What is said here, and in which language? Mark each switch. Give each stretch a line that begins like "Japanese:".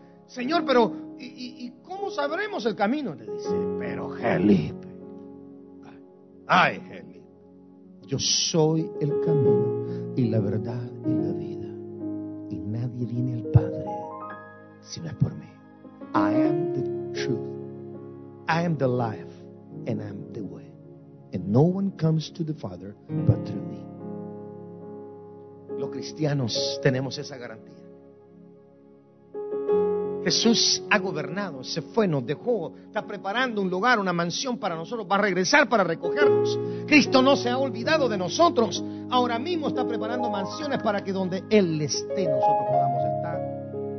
Spanish: Señor, pero ¿y cómo sabremos el camino? Le dice, pero Felipe, ay Felipe, yo soy el camino y la verdad y la vida. Y nadie viene al Padre si no es por mí.
English: I am the truth, I am the life, and I am the way. And no one comes to the Father but through me.
Spanish: Los cristianos tenemos esa garantía. Jesús ha gobernado, se fue, nos dejó, está preparando un lugar, una mansión para nosotros, va a regresar para recogernos. Cristo no se ha olvidado de nosotros. Ahora mismo está preparando mansiones para que donde Él esté, nosotros podamos estar.